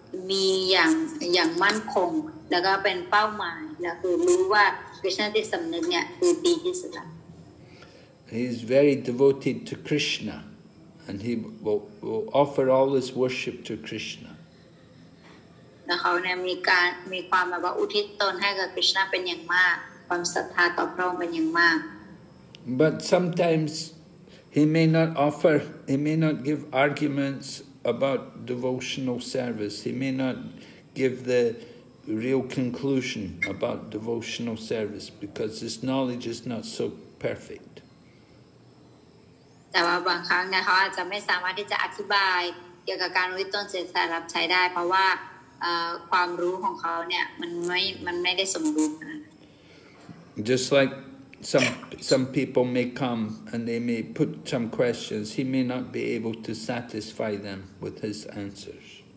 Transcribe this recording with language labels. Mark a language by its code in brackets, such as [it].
[th] มีอย่างอย่างมั่นคงแล้วก็เป็นเป้าหมายแล้วคือรู้ว่าคริสต์ที่สำนึกเนี่ยคือดีที่สุดละ [en] He's very devoted to Krishna and he will offer all his worship to Krishna [th] แล้วเขาเนี่ยมีการมีความแบบว่าอุทิศตนให้กับคริสต์เป็นอย่างมากความศรัทธาต่อพระองค์เป็นอย่างมาก [en] But sometimes he may not give arguments about devotional service. He may not give the real conclusion about devotional service because his knowledge is not so perfect. [th] แต่ว่าบางครั้งเนี่ยเขาอาจจะไม่สามารถที่จะอธิบายเกี่ยวกับการวิตรณ์เสริมรับใช้ได้เพราะว่าความรู้ของเขาเนี่ยมันไม่ได้สมบูรณ์ [en] Just like Some people may come and they may put some questions. He may not be able to satisfy them with his answers.